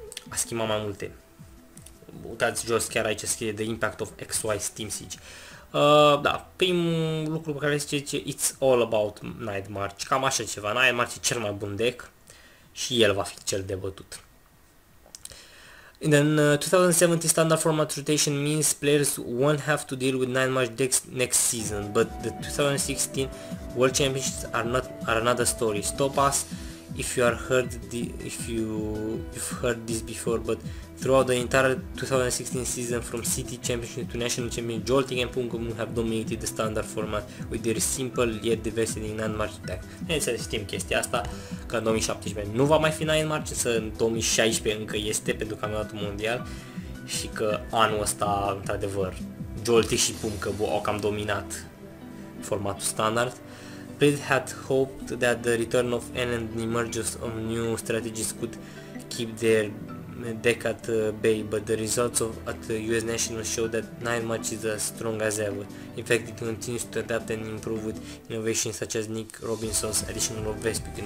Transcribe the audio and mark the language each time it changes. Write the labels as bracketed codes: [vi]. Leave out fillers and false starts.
[ro] a schimbat mai multe. Uitați jos, chiar aici scrie [en] The Impact of XY Steam Siege. [ro] Da, primul lucru pe care zice, zice [en] It's all about Nightmarch. [ro] Cam așa ceva, Nightmarch e cel mai bun deck și el va fi cel de bătut. [en] And then 2070 standard format rotation means players won't have to deal with Nightmarch decks next season, but the 2016 World Championships are another story. Stop us if you are heard if you've heard this before, but throughout the entire 2016 season, from City Championship to National Championship, Jolting and Punkum have dominated the standard format with their simple yet devastating Nightmarch deck. [ro] Bineînțeles, știm chestia asta, că în 2017 nu va mai fi Nightmarch, însă în 2016 încă este pentru campionatul mondial și că anul ăsta, într-adevăr, Jolting și Punkum au cam dominat formatul standard. [en] Blizzard had hoped that the return of N and the emergence of new strategies could keep their deck at bay, but the results of at US National show that Nightmarch is as strong as ever. In fact, it continues to adapt and improve with innovations such as Nick Robinson's addition of Vespiquen.